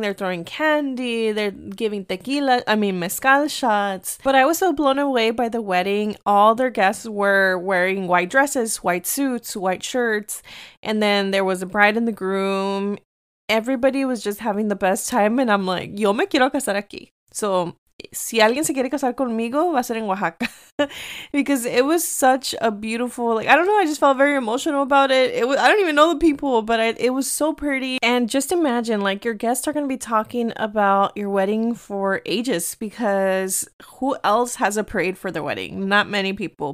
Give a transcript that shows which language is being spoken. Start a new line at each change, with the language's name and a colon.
English: They're throwing candy. They're giving mezcal shots. But I was so blown away by the wedding. All their guests were wearing white dresses, white suits, white shirts. And then there was a bride and the groom. Everybody was just having the best time, and I'm like,
Spanish: yo me quiero casar aquí. So, si alguien se quiere casar conmigo, va a ser en Oaxaca.
English: Because it was such a beautiful, like, I don't know, I just felt very emotional about it. I don't even know the people, but it was so pretty. And just imagine, like, your guests are going to be talking about your wedding for ages, because who else has a parade for their wedding? Not many people.